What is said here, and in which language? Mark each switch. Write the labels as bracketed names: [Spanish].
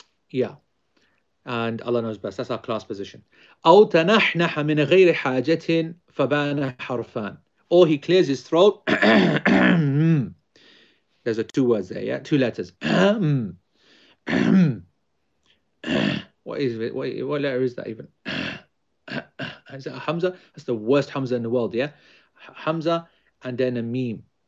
[English] Yeah. And Allah knows best. That's our class position. [Arabic] أو تنحنح من غير حاجة فبان حرفان. [English] Or he clears his throat. There's a two words there, yeah? Two letters. What letter is that even? Is that a Hamza? That's the worst Hamza in the world, yeah? Hamza and then a meme.